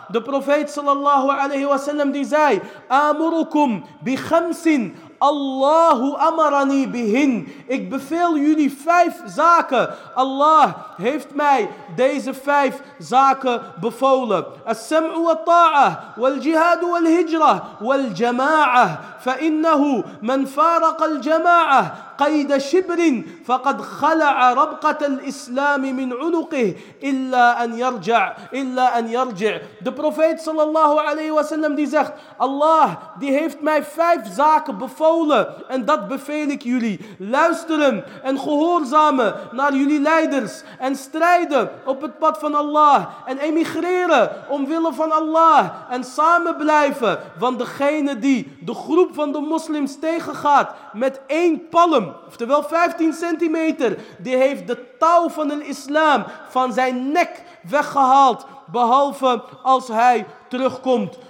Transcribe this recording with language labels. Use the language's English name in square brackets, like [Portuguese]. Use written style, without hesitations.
[Dutch] De profeet sallallahu alayhi wa sallam die zei, [Arabic] amurukum bi khamsin, Allahu amarani bihin. [Dutch] Ik beveel jullie vijf zaken. Allah heeft mij deze vijf zaken bevolen. [Arabic] As-sam'u wa ta'ah, wal-jihadu wal-hijrah, wal-jama'ah. Fa'innahu man faraqa al-jama'ah قيد شبر فقد خلع ربقة الإسلام من عنقه إلا أن يرجع إلا أن يرجع. [Dutch] De profeet sallallahu alayhi wa sallam die zegt, Allah die heeft mij vijf zaken bevolen en dat beveel ik jullie. Luisteren en gehoorzamen naar jullie leiders en strijden op het pad van Allah en emigreren omwille van Allah en samenblijven van degene die de groep van de moslims tegengaat met één palm, oftewel 15 centimeter, die heeft de touw van de islam van zijn nek weggehaald, behalve als hij terugkomt.